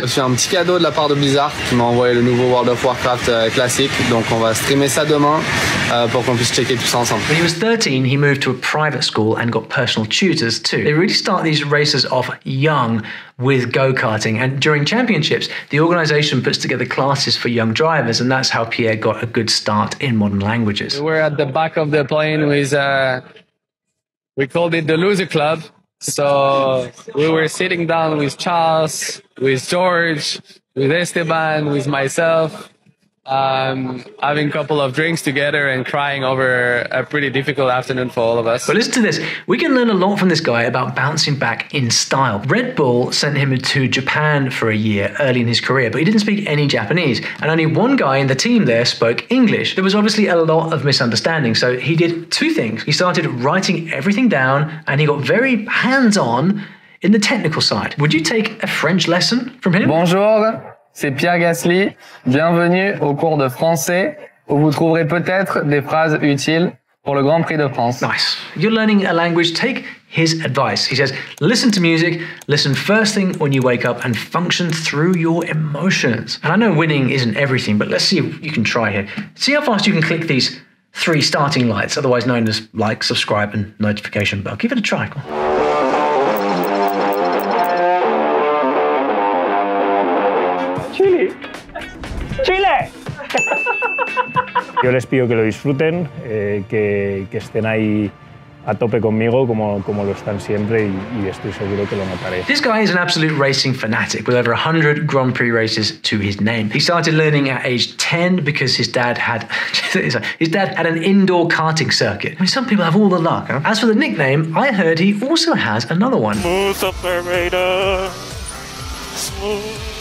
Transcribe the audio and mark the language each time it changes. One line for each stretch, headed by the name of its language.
French: J'ai un petit cadeau de la part de Blizzard qui m'a envoyé le nouveau World of Warcraft classique, donc on va streamer ça demain pour qu'on puisse checker tous ensemble.
English: When he was 13, he moved to a private school and got personal tutors too. They really start these races off young with go-karting, and during championships, the organization puts together classes for young drivers, and that's how Pierre got a good start in modern languages. We're at the back of the plane with, we called it the loser club. So we were sitting down with Charles, with George, with Esteban, with myself, having a couple of drinks together and crying over a pretty difficult afternoon for all of us. But listen to this. We can learn a lot from this guy about bouncing back in style. Red Bull sent him to Japan for a year early in his career, but he didn't speak any Japanese. And only one guy in the team there spoke English. There was obviously a lot of misunderstanding. So he did two things. He started writing everything down and he got very hands-on in the technical side. Would you take a French lesson from him?
French: Bonjour. C'est Pierre Gasly. Bienvenue au cours de français où vous trouverez peut-être des phrases utiles pour le Grand Prix de France.
English: Nice. You're learning a language. Take his advice. He says, listen to music, listen first thing when you wake up and function through your emotions. And I know winning isn't everything, but let's see if you can try here. See how fast you can click these three starting lights, otherwise known as like, subscribe and notification bell. Give it a try. Chile.
Spanish: Yo les pido que lo disfruten, que estén ahí a tope conmigo como lo están siempre y estoy seguro que lo notaré.
English: This guy is an absolute racing fanatic with over 100 Grand Prix races to his name. He started learning at age 10 because his dad had an indoor karting circuit. I mean, some people have all the luck. Huh? As for the nickname, I heard he also has another one. Smooth operator. Smooth.